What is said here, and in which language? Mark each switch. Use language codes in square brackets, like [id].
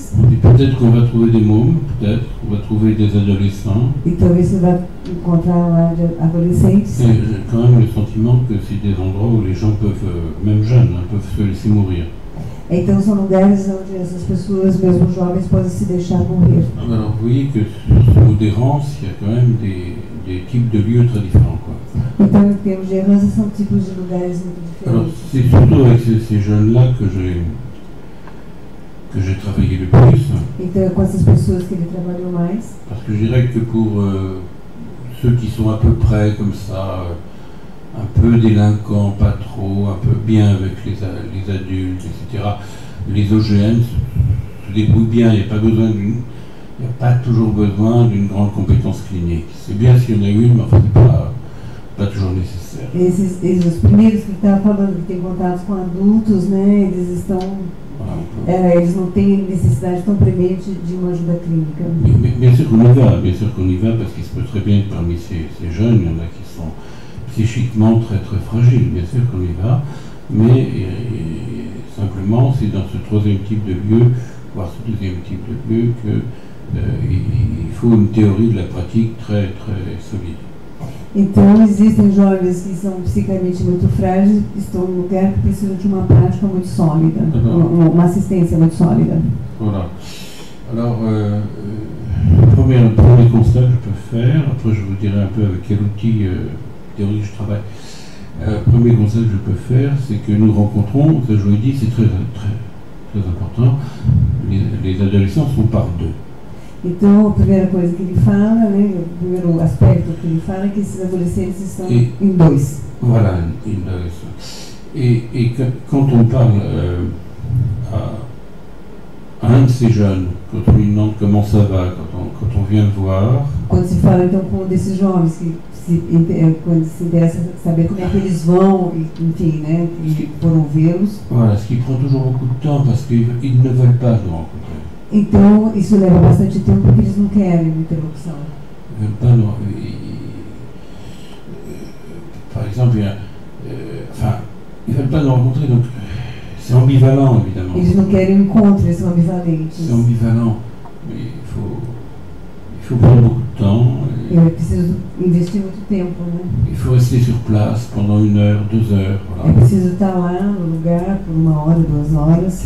[fr] E peut-être qu'on va trouver des mômes, peut-être, on va trouver des adolescents. [pt] E talvez você vai encontrar lá adolescentes. [fr] Et j'ai quand même le sentiment que c'est des endroits où les gens peuvent, même jeunes, peuvent se laisser mourir. [pt] Então são lugares onde essas pessoas, mesmo jovens, podem se deixar morrer. [fr] Alors vous voyez que sur ce mot d'errance, il y a quand même des types de lieux très différents, quoi. [pt] Então em termos de errance, são tipos de lugares muito diferentes. [fr] Alors c'est surtout avec ces jeunes-là que j'ai travaillé le plus. [pt] Então, com essas pessoas que ele trabalhou mais. [fr] Parce que je dirais que pour ceux qui sont à peu près comme ça, un peu délinquants, pas trop, un peu bien avec les adultes, etc., les OGM se débrouillent bien, il n'y a pas besoin il n'y a pas toujours besoin d'une grande compétence clinique. C'est bien s'il y en a une, mais enfin, pas toujours nécessaire. Et les premiers qui t'as parlé, qui t'es contacté avec adultes, ils sont... Ils n'ont pas une nécessité tant prémédite d'une aide clinique. Bien sûr qu'on y va, bien sûr qu'on y va, parce qu'il se peut très bien que parmi ces jeunes, il y en a qui sont psychiquement très très fragiles, bien sûr qu'on y va, mais simplement c'est dans ce troisième type de lieu, voire ce deuxième type de lieu, qu'il faut une théorie de la pratique très très solide. [pt] Então, existem jovens que são psicamente muito frágeis, estão no lugar que precisam de uma prática muito sólida, uma assistência muito sólida. [fr] Voilà. Alors, premier constat que je peux faire, après je vous dirai un peu avec quel outil théorique je travaille. Premier constat que je peux faire, c'est que nous rencontrons, ça je vous l'ai dit, c'est très, très, très important, les adolescents sont par deux. [pt] Então, a primeira coisa que ele fala, né, o primeiro aspecto que ele fala é que esses adolescentes estão em dois. Voilà, em dois. [fr] E quando on parle à un de ces jeunes, quand on lui demande comment ça va, quand on vient voir. [pt] Quando se fala então com um desses jovens, quando se interessa saber como é que eles vão, enfim, né, foram vê-los. [fr] Voilà, ce qui prend toujours beaucoup de temps, parce qu'ils ne veulent pas nous rencontrer. [pt] Então, isso leva bastante tempo porque eles não querem uma interrupção. Por exemplo, eles não querem nos encontrar, então, é ambivalente, evidentemente. Eles não querem um encontro, eles são ambivalentes. É ambivalente, mas [fr] il faut prendre beaucoup de temps. Il faut investir beaucoup de temps. Il faut rester sur place pendant une heure, deux heures. Il faut être là, au lugar, pour une heure, deux heures.